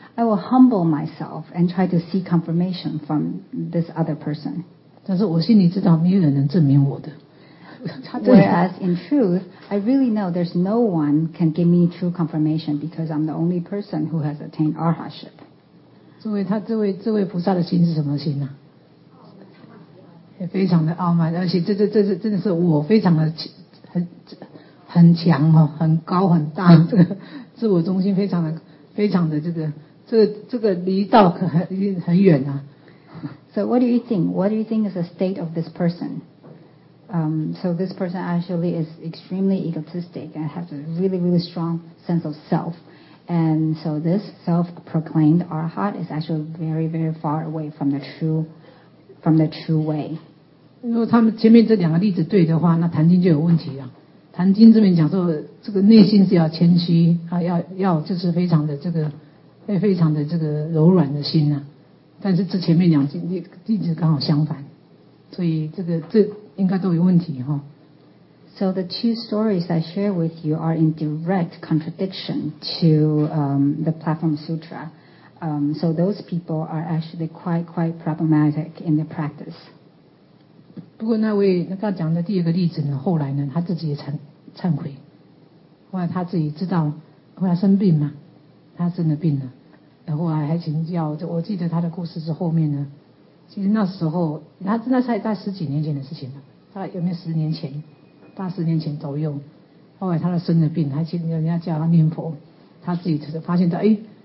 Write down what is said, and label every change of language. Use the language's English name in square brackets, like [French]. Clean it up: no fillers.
[English] I will humble myself and try to seek confirmation from this other person. [Chinese] 但是我心里知道没有人能证明我的。 [English] Whereas in truth, I really know there's no one can give me true confirmation because I'm the only person who has attained arhatship. [Chinese] 这位菩萨的心是什么心呢、啊？也非常的傲慢，而且这真的是我非常的很强哦，很高很大，这个自我中心非常的这个。这个离道可很远啊。 [English] So what do you think? What do you think is the state of this person? So this person actually is extremely egotistic and has a really, really strong sense of self. And so this self-proclaimed arhat is actually very, very far away from the true way. [Chinese] 如果他们前面这两个例子对的话，那谭经就有问题了。谭经这边讲说，这个内心是要谦虚啊，要就是非常的这个。非常的这个柔软的心啊，但是这前面两句例子刚好相反，所以这应该都有问题哈、哦。 [English] So the two stories I share with you are in direct contradiction to the Platform Sutra. So those people are actually quite problematic in the practice. [Chinese] 不过那位刚刚讲的第二个例子呢，后来呢，他自己也忏悔，后来他自己知道，后来生病嘛，他生了病了，然后还请教，我记得他的故事是后面呢，其实那时候他真的才在十几年前的事情了，大概有没有十年前，大十年前左右，后来他生了病，还请人家叫他念佛，他自己发现到，哎。